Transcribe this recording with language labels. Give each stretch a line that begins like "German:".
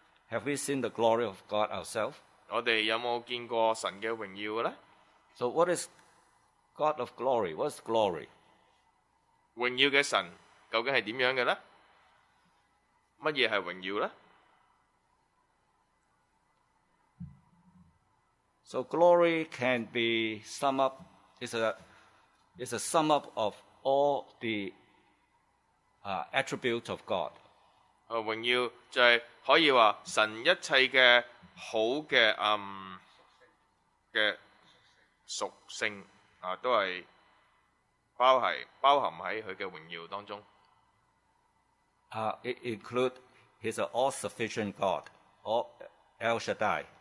English: Have we seen the glory of God ourselves?
Cantonese: 我哋有冇见过神嘅荣耀咧？
English: So what is God of glory? What's glory?
Cantonese: 荣耀嘅神究竟系点样嘅咧？乜嘢系荣耀咧？
English: So glory can be sum up. It's a sum up of all the attributes of God.
Cantonese: 荣耀就系可以话神一切嘅好嘅嘅属性都系包含喺佢嘅荣耀当中。
English: It includes he's an all sufficient God, all El Shaddai.